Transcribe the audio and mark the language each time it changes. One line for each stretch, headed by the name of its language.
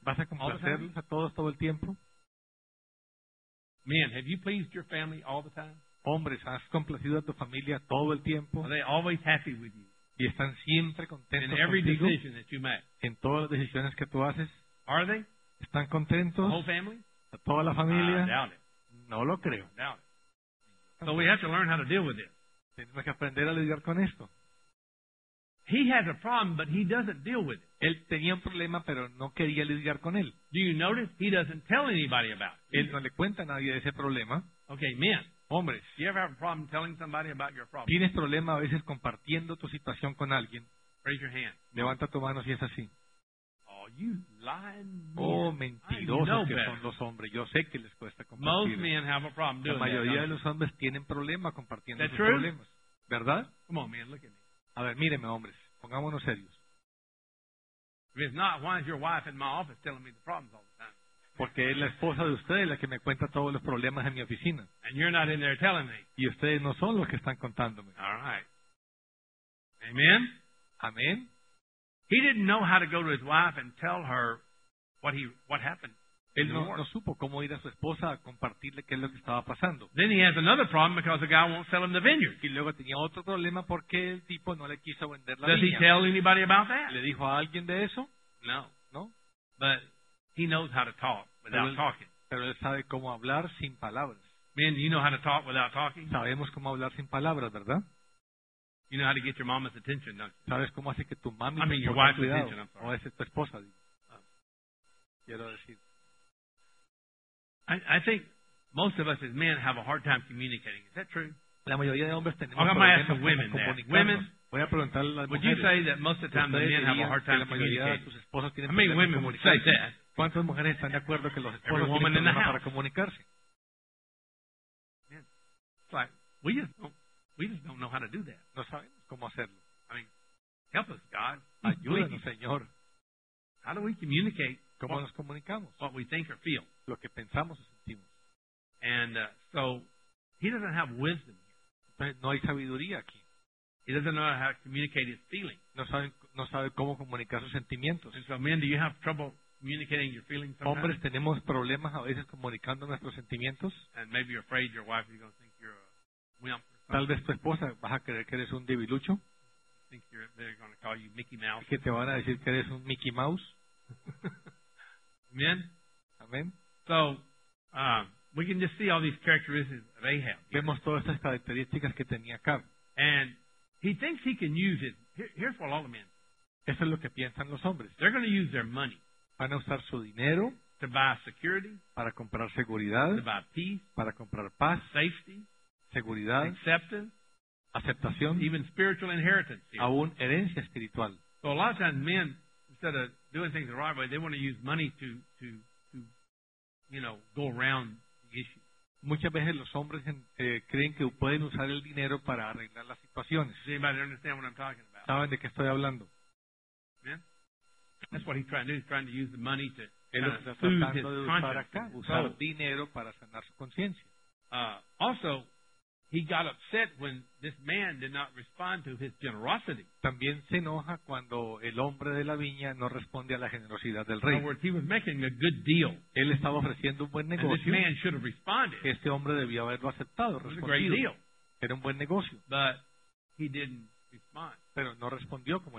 Spanish: ¿Vas a complacerlos a todos todo el tiempo?
English: Men, have you pleased your family all the time?
Spanish: Hombres, ¿has complacido a tu familia todo el tiempo?
English: Are they always happy with you?
Spanish: ¿Y están siempre contentos
English: in every
Spanish: contigo?
English: Decision that you make.
Spanish: ¿En todas las decisiones que tú haces?
English: Are they?
Spanish: ¿Están contentos?
English: The whole family?
Spanish: ¿A toda la familia?
English: I doubt it.
Spanish: No lo creo.
English: I doubt it. So we have to learn how to deal with this.
Spanish: Tenemos que aprender a lidiar con esto.
English: He has a problem, but he doesn't deal with it.
Spanish: Él tenía un problema, pero no quería lidiar con él.
English: Do you notice he doesn't tell anybody about it?
Spanish: Él no le cuenta a nadie de ese problema.
English: Okay, men.
Spanish: Hombres.
English: You ever have a problem telling somebody about your problem?
Spanish: ¿Tienes problema a veces compartiendo tu situación con alguien?
English: Raise your hand.
Spanish: Levanta tu mano si es así.
English: Oh, you lying men.
Spanish: Oh, mentirosos que better. Son los hombres. Yo sé que les cuesta compartir.
English: Most men have a problem doing
Spanish: la mayoría
English: that,
Spanish: de los hombres tienen problema compartiendo
English: that
Spanish: sus
English: true?
Spanish: Problemas. ¿Verdad?
English: Come on, man, look at me.
Spanish: A ver, míreme, hombres, pongámonos serios.
English: If not, why is your wife in my office telling me the problems all the time?
Spanish: Porque es la esposa de ustedes la que me cuenta todos los problemas en mi oficina.
English: And you're not in there telling me.
Spanish: Y ustedes no son los que están contándome.
English: All right. Amen.
Spanish: Amen.
English: He didn't know how to go to his wife and tell her what happened.
Spanish: Él no supo cómo ir a su esposa a compartirle qué es lo que estaba pasando.
English: Then he has another problem because the guy won't sell him the vineyard.
Spanish: Y luego tenía otro problema porque el tipo no le quiso vender la
English: viña. Does he tell anybody about that?
Spanish: ¿Le dijo a alguien de eso?
English: No.
Spanish: No.
English: But he knows how to talk without talking.
Spanish: Pero él sabe cómo hablar sin palabras.
English: Men, you know how to talk without talking?
Spanish: Sabemos cómo hablar sin palabras, ¿verdad?
English: You know how to get your mama's attention, don't you?
Spanish: ¿Sabes cómo hace que tu mami
English: I mean, your wife's attention, I'm sorry.
Spanish: O es tu esposa. Quiero decir.
English: I think most of us as men have a hard time communicating. Is that true?
Spanish: La mayoría de hombres tenemos
English: I'm going to ask the women that. Women,
Spanish: voy a preguntar a las mujeres,
English: would you say that most of the time the men have a hard time communicating? I mean, women would say that.
Spanish: ¿Cuántas mujeres están de acuerdo que los esposos tienen problemas para comunicarse?
English: Men, it's like, we just don't know how to do that.
Spanish: No sabemos cómo hacerlo.
English: I mean, help us, God.
Spanish: Ayúdanos, Señor.
English: How do we communicate?
Spanish: ¿Cómo nos comunicamos?
English: What we think or feel.
Spanish: Lo que pensamos o sentimos.
English: And so, he doesn't have wisdom.
Spanish: No hay sabiduría aquí.
English: He doesn't know how to communicate his feelings.
Spanish: No sabe cómo comunicar sus sentimientos.
English: And so, men, do you have trouble communicating your feelings sometimes?
Spanish: Hombres, ¿tenemos problemas a veces comunicando nuestros sentimientos?
English: And maybe you're afraid your wife is going to think you're a wimp.
Spanish: Tal vez tu esposa vas a creer que eres un debilucho.
English: Think they're going to call you Mickey Mouse.
Spanish: Que te van a decir que eres un Mickey Mouse.
English: Amen.
Spanish: Amen.
English: So we can just see all these characteristics of Ahab.
Spanish: Vemos todas estas características que tenía Acab.
English: And he thinks he can use it. Here's what all the men.
Spanish: Eso es lo que piensan los hombres.
English: They're going to use their money.
Spanish: Van a usar su dinero.
English: To buy security.
Spanish: Para comprar seguridad.
English: To buy peace.
Spanish: Para comprar paz.
English: Safety.
Spanish: Seguridad.
English: Acceptance.
Spanish: Aceptación.
English: Even spiritual inheritance.
Spanish: Aún herencia espiritual.
English: So a lot of times men, instead of doing things the right way, they want to use money to you know, go around the issue.
Spanish: Muchas veces los hombres creen que pueden usar el dinero para arreglar las situaciones.
English: Does anybody understand what I'm talking about?
Spanish: ¿Saben de qué estoy hablando?
English: Amen? That's what he's trying to do. He's trying to use the money to
Spanish: usar dinero para sanar su conciencia.
English: Also, he got upset when this man did not respond to his generosity.
Spanish: También se enoja cuando el hombre de la viña no responde a la generosidad del rey.
English: In other words, he was making a good deal.
Spanish: Él estaba ofreciendo un buen negocio.
English: And this man should have responded.
Spanish: Este hombre debió haberlo aceptado, respondido.
English: It was a great deal.
Spanish: Era un buen negocio.
English: But he didn't respond.
Spanish: Pero no respondió como